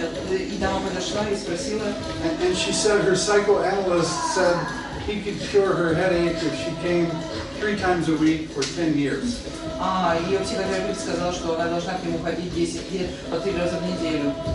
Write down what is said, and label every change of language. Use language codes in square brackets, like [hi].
[ru] И дама подошла и спросила. [en] And she said her psychoanalyst said he could cure her headache if she came 3 times a week for 10 years. [ru] Ее психотерапевт сказал, что она должна к нему ходить 10 лет по 3 раза в неделю.